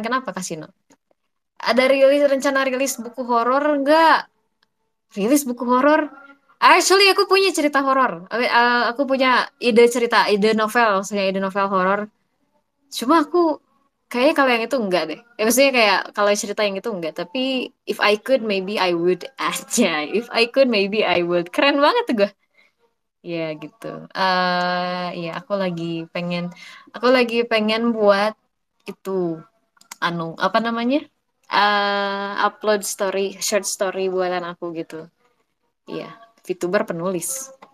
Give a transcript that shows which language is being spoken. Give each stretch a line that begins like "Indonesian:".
Indonesian: Kenapa, Kasino? Ada rilis rencana rilis buku horor enggak? Rilis buku horor? Actually, aku punya cerita horor. Aku punya ide cerita, ide novel, maksudnya ide novel horor. Cuma aku kayaknya kalau yang itu enggak deh. Ya, maksudnya kayak kalau cerita yang itu enggak. Tapi
English: if I could, maybe I would
Indonesian: aja.
English: If I could, maybe I would.
Indonesian: Keren banget tuh gue. Ya gitu. Ya aku lagi pengen buat itu anu apa namanya? Upload story, short story buatan aku gitu. Iya, VTuber penulis.